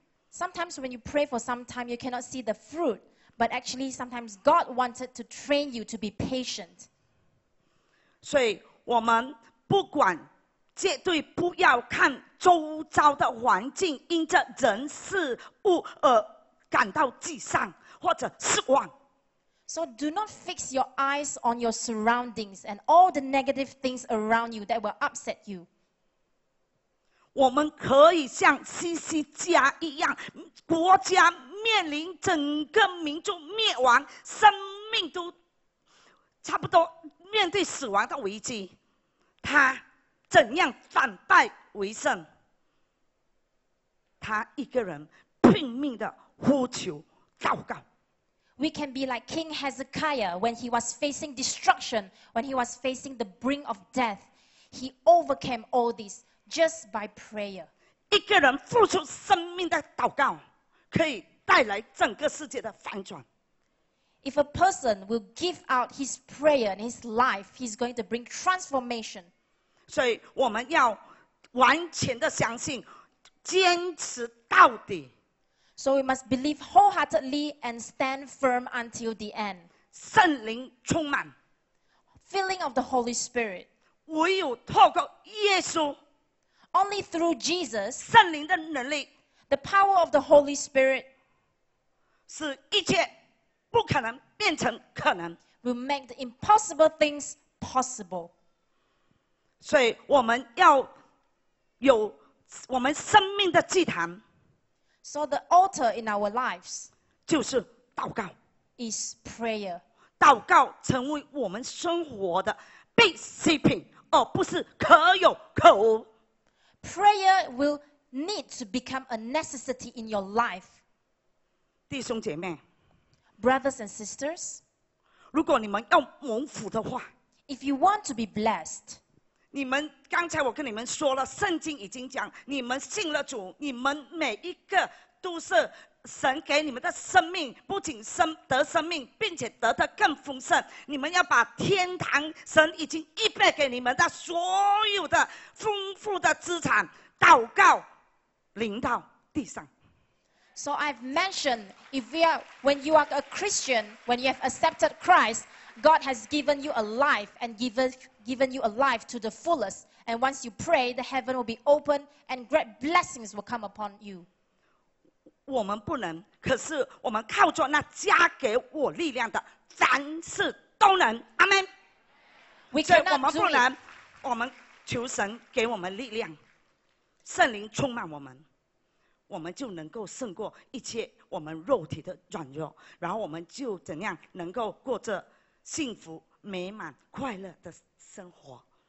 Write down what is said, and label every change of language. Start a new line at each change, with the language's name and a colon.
English: Sometimes when you pray for some time, you cannot see the fruit. But actually, sometimes God wanted to train you to be patient.
Chinese: 所以我们不管绝对不要看周遭的环境，因着人事物而感到沮丧或者失望。
English: So do not fix your eyes on your surroundings and all the negative things around you that will upset you.
Chinese: 我们可以像西西家一样，国家面临整个民族灭亡，生命都差不多面对死亡的危机，他怎样反败为胜？他一个人拼命的呼求祷告。
English: We can be like King Hezekiah when he was facing destruction, when he was facing the brink of death. He overcame all this. Just by prayer.
Chinese: 一个人付出生命的祷告，可以带来整个世界的反转。
English: If a person will give out his prayer and his life, he's going to bring transformation.
Chinese: 所以我们要完全的相信，坚持到底。
English: So we must believe wholeheartedly and stand firm until the end.
Chinese: 圣灵充满。
English: Filling of the Holy Spirit.
Chinese: 唯有透过耶稣。
English: Only through Jesus,
Chinese: 圣灵的能力,
English: the power of the Holy Spirit,
Chinese: 使一切不可能变成可能,
English: will make the impossible things possible.
Chinese: 所以我们要有我们生命的祭坛,
English: so the altar in our lives,
Chinese: 就是祷告,
English: is prayer.
Chinese: 祷告成为我们生活的必需品, 而不是可有可无。
English: Prayer will need to become a necessity in your life.
Chinese: 弟兄姐妹
English: Brothers and sisters,
Chinese: 如果你们要蒙福的话
English: If you want to be blessed,
Chinese: 你们刚才我跟你们说了，圣经已经讲，你们信了主，你们每一个都是神给你们的生命，不仅生得生命，并且得的更丰盛。你们要把天堂神已经预备给你们的所有的丰富的资产，祷告临到地上。
English: So I've mentioned, when you are a Christian, when you have accepted Christ, God has given you a life and given you a life to the fullest. And once you pray, the heaven will be open and great blessings will come upon you.
Chinese: 我们不能，可是我们靠着那加给我力量的，凡事都能。阿门。
English: We cannot do it.
Chinese: 我们不能，我们求神给我们力量，圣灵充满我们。我们就能够胜过一切我们肉体的软弱，然后我们就怎样能够过着幸福、美满、快乐的生活。